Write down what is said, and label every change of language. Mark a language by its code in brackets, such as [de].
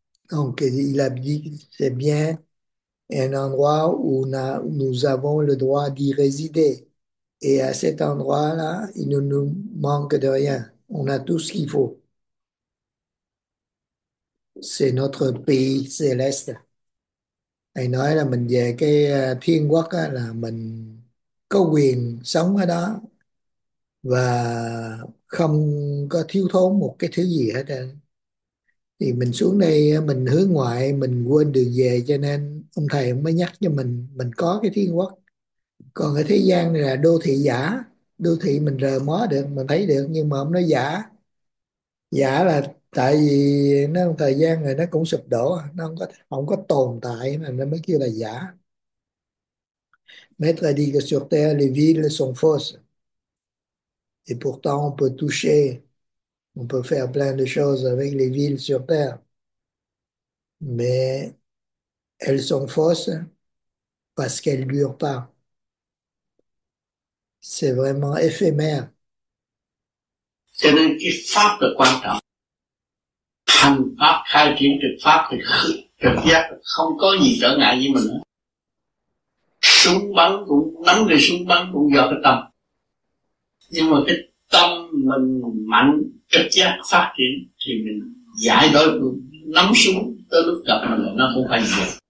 [fr] Donc, il a dit, c'est bien un endroit où nous avons le droit d'y résider. Et à cet endroit-là, il ne nous manque de rien. On a tout ce qu'il faut. C'est notre pays céleste. [vi] Anh nói là mình về cái thiên quốc á, là mình có quyền sống ở đó và không có thiếu thốn một cái thứ gì hết. Thì mình xuống đây mình hướng ngoại, mình quên đường về, cho nên ông thầy mới nhắc cho mình có cái thiên quốc. Còn ở thế gian này là đô thị giả, đô thị mình rờ mó được, mình thấy được, nhưng mà ông nói giả. Giả là tại vì nó thời gian rồi nó cũng sụp đổ, nó không có tồn tại, mà nó mới kêu là giả. [fr] Maître a dit que sur Terre, les villes sont fausses. Et pourtant, on peut toucher, on peut faire plein de choses avec les villes sur Terre. Mais elles sont fausses parce qu'elles ne durent pas. C'est vraiment éphémère. [vi] Cho nên cái pháp là quan trọng. Thành pháp khai triển trực pháp thì trực giác không có gì trở ngại với mình nữa. Súng bắn cũng bắn thì súng bắn cũng do cái tâm. Nhưng mà cái tâm mình mạnh trực giác phát triển thì mình giải đổi nắm súng tới lúc gặp mình là nó cũng phải gì.